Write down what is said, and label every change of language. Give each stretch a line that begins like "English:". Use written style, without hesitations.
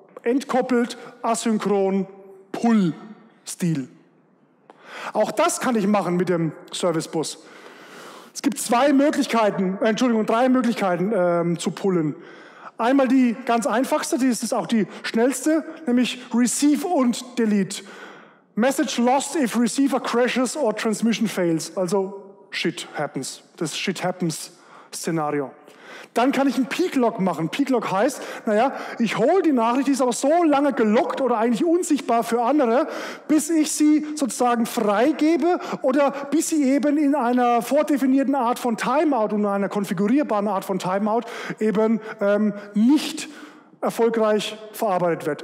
German: Entkoppelt, asynchron, Pull-Stil. Auch das kann ich machen mit dem Service-Bus. Es gibt drei Möglichkeiten zu pullen. Einmal die ganz einfachste, die ist auch die schnellste, nämlich Receive und Delete.
English: Message lost if receiver crashes or transmission fails.
German: Also
English: shit happens.
German: Das shit happens Szenario. Dann kann ich einen Peak Log machen. Peak Log heißt, naja, ich hole die Nachricht, die ist aber so lange gelockt oder eigentlich unsichtbar für andere, bis ich sie sozusagen freigebe oder bis sie eben in einer vordefinierten Art von Timeout und einer konfigurierbaren Art von Timeout eben nicht erfolgreich verarbeitet wird.